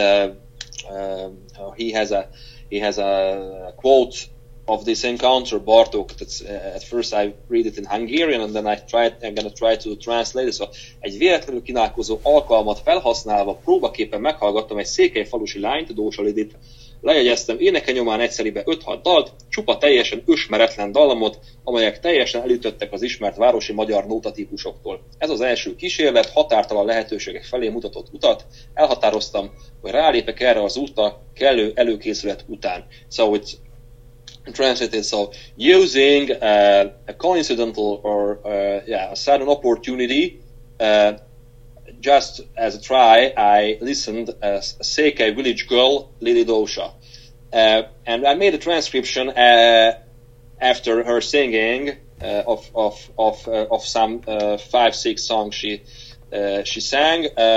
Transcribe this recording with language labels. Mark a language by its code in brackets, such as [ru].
[en] He has a quote of this encounter, Bartók. That's, at first I read it in Hungarian, and then I'm gonna try to translate it. [hu] So, egy véletlenül kínálkozó alkalmat felhasználva próbaképpen meghallgattam egy székelyfalusi lányt, Dósalidit. Lejegyeztem éneke nyomán egyszeribe 5-6 dalt, csupa teljesen ösmeretlen dallamot, amelyek teljesen elütöttek az ismert városi magyar nótatípusoktól. Ez az első kísérlet határtalan lehetőségek felé mutatott utat, elhatároztam, hogy rálépek erre az útra kellő előkészület után. [en] So it's translated, so using a coincidental or a sudden opportunity, just as a try, I listened as a Székely village girl, Lili Dósa, and I made a transcription after her singing of some 5-6 songs she sang.